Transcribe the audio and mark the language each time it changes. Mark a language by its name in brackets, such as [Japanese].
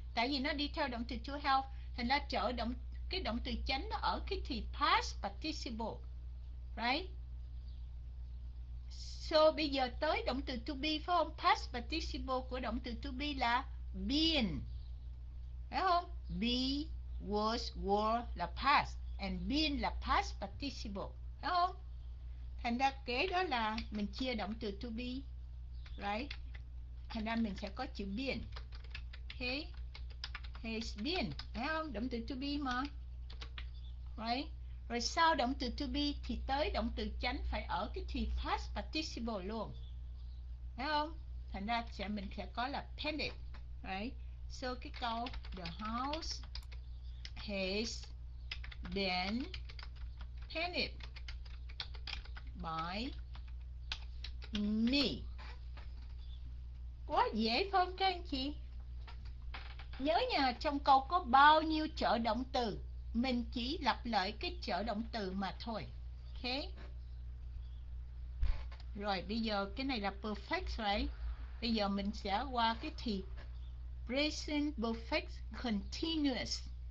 [Vietnamese] Tại vì nó đi theo động từ to have, thành ra trở động, cái động từ chánh nó ở cái thì past participle. Right. So bây giờ tới động từ to be phải không? Past participle của động từ to be là been. Phải không? Be, was, were là past, and been là past participle. Phải không? Thành ra kế đó là mình chia động từ to be. Right. Thành ra mình sẽ có chữ been. Okay. Has been. Phải không? Động từ to be mà. Right. Rồi sau động từ to be thì tới động từ chánh phải ở cái thì past participle luôn. Thấy không? Thành ra sẽ mình sẽ có là painted. [English] Right? [Vietnamese] So cái câu [English] the house has been painted by me. [Vietnamese] Quá dễ không các anh chị? Nhớ nha, trong câu có bao nhiêu trợ động từ, mình chỉ lặp lại cái trợ động từ mà thôi. Ok. Rồi bây giờ cái này là perfect right? Bây giờ mình sẽ qua cái thì present perfect continuous.